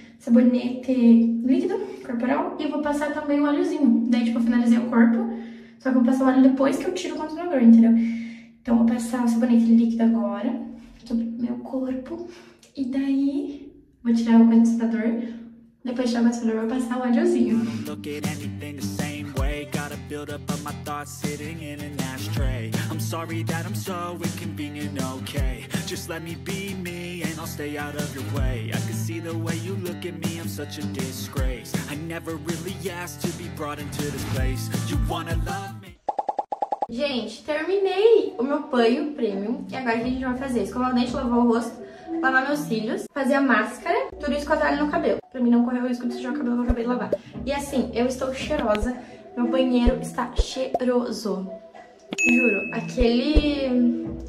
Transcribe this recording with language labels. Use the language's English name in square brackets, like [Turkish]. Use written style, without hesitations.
[Portuguese] Sabonete líquido, corporal. E vou passar também o óleozinho. Daí tipo, eu finalizei o corpo. Só que eu vou passar o óleo depois que eu tiro o condicionador, entendeu? Então, vou passar o sabonete líquido agora sobre o meu corpo. E daí, vou tirar o condicionador. Depois de tirar o condicionador, vou passar o óleozinho. [English] Look at anything the same way. Gotta build up of my thoughts sitting in an ashtray. I'm sorry that I'm so inconvenient, okay. Just let me be me and I'll stay out of your way. I can see the way you look at me, I'm such a disgrace. I never really asked to be brought into this place. You wanna love me? [Portuguese] Gente, terminei o meu banho premium. E agora o que a gente vai fazer? Escovar o dente, lavar o rosto, lavar meus cílios, fazer a máscara, tudo isso com a toalha no cabelo. Pra mim não correr o risco de sujar o cabelo que eu acabei de lavar. E assim, eu estou cheirosa. Meu banheiro está cheiroso. Juro, aquele...